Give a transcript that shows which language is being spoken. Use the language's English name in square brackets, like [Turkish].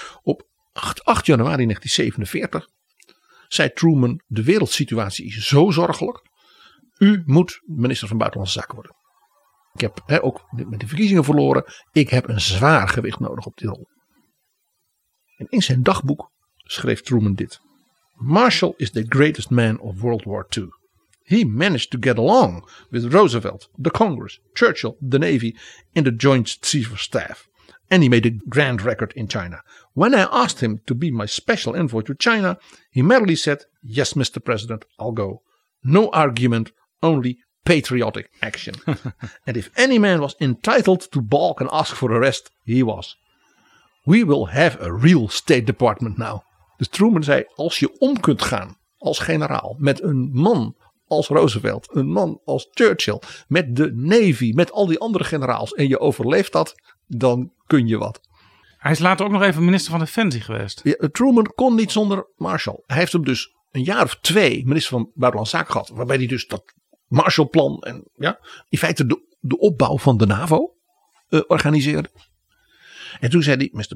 [Dutch] Op 8 januari 1947 zei Truman, de wereldsituatie is zo zorgelijk. U moet minister van Buitenlandse Zaken worden. Ik heb ook met de verkiezingen verloren. Ik heb een zwaar gewicht nodig op die rol. En in zijn dagboek schreef Truman dit. [English] Marshall is the greatest man of World War II. He managed to get along with Roosevelt, the Congress, Churchill, the Navy and the Joint Chiefs of Staff. And he made a grand record in China. When I asked him to be my special envoy to China, he merely said, yes, Mr. President, I'll go. No argument, only patriotic action. And if any man was entitled to balk and ask for a rest, he was. We will have a real State Department now. [Dutch] Dus Truman zei, als je om kunt gaan als generaal met een man als Roosevelt, een man als Churchill, met de Navy, met al die andere generaals en je overleeft dat, dan kun je wat. Hij is later ook nog even minister van Defensie geweest. Ja, Truman kon niet zonder Marshall. Hij heeft hem dus een jaar of twee minister van Buitenlandse Zaken gehad, waarbij hij dus dat Marshallplan en in feite de opbouw van de NAVO organiseerde. En toen zei hij, Mr.